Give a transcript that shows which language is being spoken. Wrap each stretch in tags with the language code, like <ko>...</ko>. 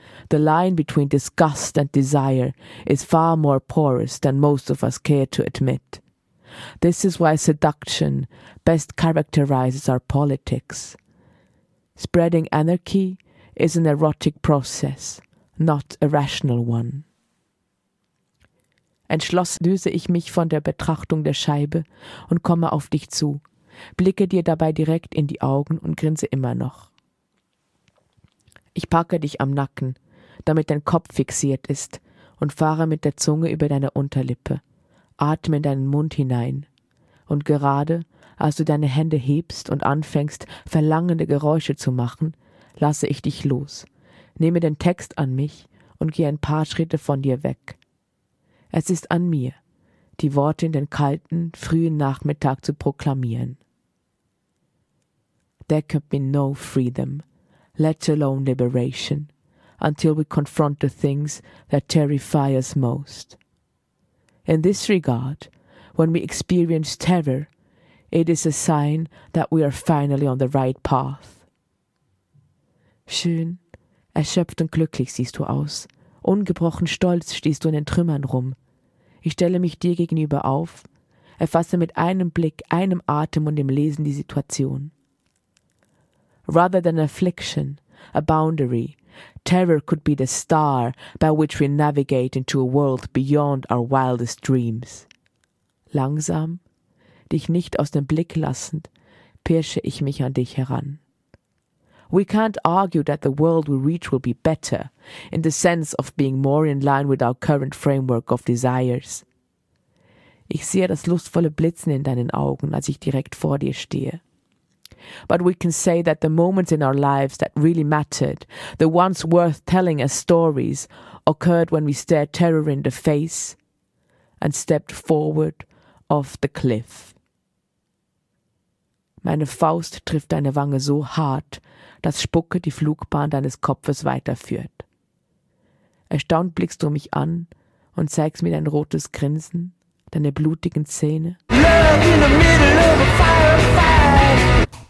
<en>The line between disgust and desire is far more porous than most of us care to admit. This is why seduction best characterizes our politics. Spreading anarchy is an erotic process, not a rational one.</en> <de>Entschlossen löse ich mich von der Betrachtung der Scheibe und komme auf dich zu, blicke dir dabei direkt in die Augen und grinse immer noch. Ich packe dich am Nacken, damit dein Kopf fixiert ist, und fahre mit der Zunge über deine Unterlippe, atme in deinen Mund hinein. Und gerade, als du deine Hände hebst und anfängst, verlangende Geräusche zu machen, lasse ich dich los, nehme den Text an mich und gehe ein paar Schritte von dir weg. Es ist an mir, die Worte in den kalten, frühen Nachmittag zu proklamieren.</de> <en>There can be no freedom, let alone liberation, until we confront the things that terrify us most. In this regard, when we experience terror, it is a sign that we are finally on the right path.</en> <de>Schön, erschöpft und glücklich siehst du aus. Ungebrochen stolz stehst du in den Trümmern rum. Ich stelle mich dir gegenüber auf, erfasse mit einem Blick, einem Atem und im Lesen die Situation.</de> <en>Rather than affliction, a boundary, terror could be the star by which we navigate into a world beyond our wildest dreams.</en> <de>Langsam, dich nicht aus dem Blick lassend, pirsche ich mich an dich heran.</de> <en>We can't argue that the world we reach will be better, in the sense of being more in line with our current framework of desires.</en> <de>Ich sehe das lustvolle Blitzen in deinen Augen, als ich direkt vor dir stehe.</de> <en>But we can say that the moments in our lives that really mattered, the ones worth telling as stories, occurred when we stared terror in the face and stepped forward off the cliff.</en> <de>Meine Faust trifft deine Wange so hart, dass Spucke die Flugbahn deines Kopfes weiterführt. Erstaunt blickst du mich an und zeigst mir dein rotes Grinsen, deine blutigen Zähne.</de> <en>Love in the middle of a firefight.</en>